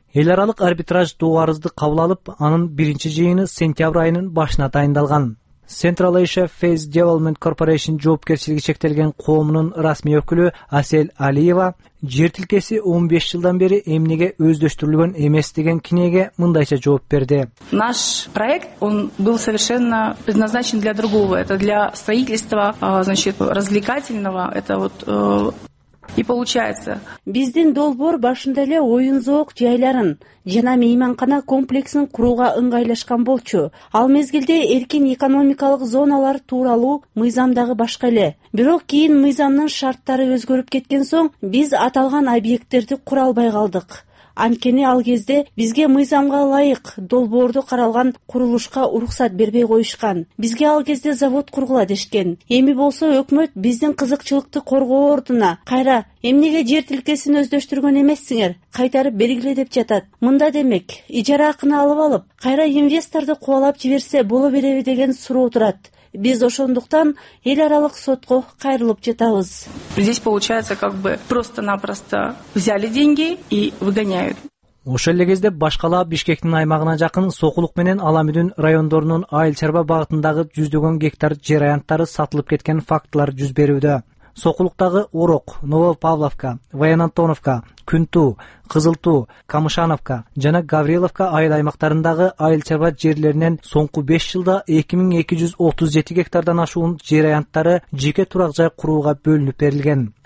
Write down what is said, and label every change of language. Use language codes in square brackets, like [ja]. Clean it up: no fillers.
[ky] Эл аралык арбитраж доо арызды кабыл алып, анын биринчи жыйыны сентябрь айынын башына дайындалган. Central Asia Phase Development Corporation жоопкерчилиги чектелген коомунун расмий өкүлү Асель Алиева жер тилкеси 15 жылдан бери эмнеге өздөштүрүлгөн эмес деген кинеге мындайча жооп берди. [ru] Наш проект, он был совершенно предназначен для другого. Это для строительства, значит, развлекательного. Это вот и получается. [ky] Биздин долбоор башында эле оюн-зоок жайларын жана мейманкана комплексин курууга ыңгайлашкан болчу. Ал мезгилде эркин экономикалык зоналар тууралуу мыйзамдагы башка эле. Бирок кийин мыйзамдын шарттары өзгөрүп кеткен соң, биз аталган объекттерди кура албай калдык. Анткени ал кезде бизге мыйзамга ылайык долбоордо каралган курулушка уруксат бербей коюшкан. Бизге ал кезде завод кургула дешкен. Эми болсо өкмөт биздин кызыкчылыкты коргоо ордуна кайра эмнеге жер тилкесин өздөштүргөн эмессиңер? Кайтарып бергиле деп жатат. Мында демек, ижара акына алып, кайра инвесторду кубалап жиберсе боло береби деген суроо турат. Биз ошондуктан эл аралык сотко кайрылып жатабыз. [ru] Здесь получается, как бы просто-напросто взяли деньги и выгоняют. [ky] Ошол эле кезде башкала Бишкектин аймагына жакын Сокулук менен Аламүдүн райондорунун айыл чарба багытындагы жүздөгөн гектар жер аянттары сатылып кеткен фактылар жүз берүүдө. Сокулуктагы Орок, Новопавловка, Военантоновка, Күнтуу, Кызылтуу, Камышановка жана Гавриловка айыл аймактарындагы айыл чарба жерлеринен соңку 5 жылда 2237 гектардан ашуун жер аянттары жеке турак жай курууга бөлүнүп берилген.